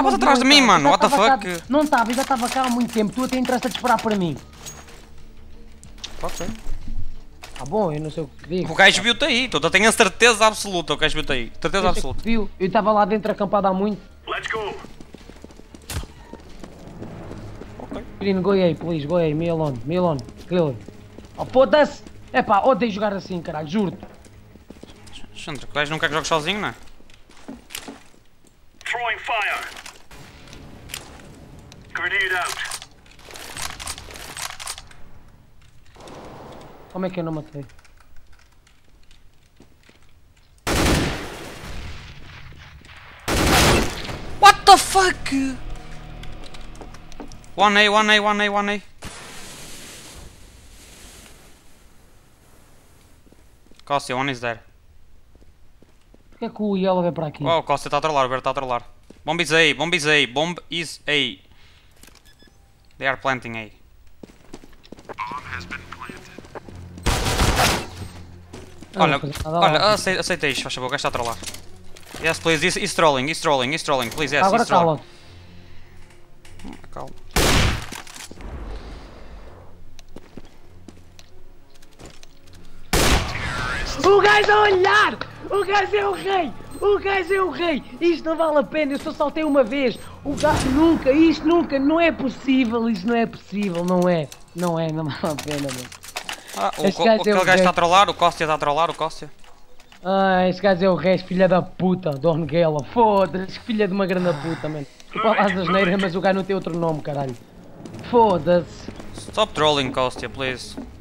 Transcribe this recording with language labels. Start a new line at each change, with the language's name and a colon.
Portuguese: Estavas atrás de mim, mano,
English: what the fuck?
Portuguese: Não estava, já estava cá há muito tempo, tu até entraste a disparar para mim.
English: Ok.
Portuguese: Ah bom, eu não sei o que digo. O gajo viu-te aí, tu tenho a certeza absoluta, o gajo viu-te aí. Certeza eu absoluta. Viu, eu estava lá dentro acampado há muito.
English: Let's go! Ok. Green, go
Portuguese: aí,
English: please, go aí, me alone, kill.
Portuguese: Oh, foda-se! É pá, odeio jogar assim, caralho, juro-te. Xandre, o gajo não quer que jogue sozinho, não é?
English: Throwing fire! Grenade out!
Portuguese: Como é que eu não matei?
English: What the fuck? 1A. Kostia, one is there.
Portuguese: Porquê é que o Yellow vem para aqui?
English: Oh, Kostia
Portuguese: está a trollar, o Bert está a trollar.
English: Bomb is A. Bomb is A. They are planting A.
Portuguese: Olha, aceita isto, faz favor, o gajo está a trollar.
English: Yes, please, he's trolling, please, yes,
Portuguese: agora
English: he's trolling.
Portuguese: Agora calma. O gajo a olhar! O gajo é o rei! Isto não vale a pena, eu só saltei uma vez. O gajo nunca, isto nunca, não é possível, não é. Não vale a pena, mano. aquele gajo está a trollar, o Kostia está a trollar, o Kostia. Ah, esse gajo é o Rez, filha da puta, Don Gela. Foda-se, filha de uma grande puta, mano. Tu falas das neiras, mas o gajo não tem outro nome, caralho. Foda-se.
English: Stop trolling, Kostia, please.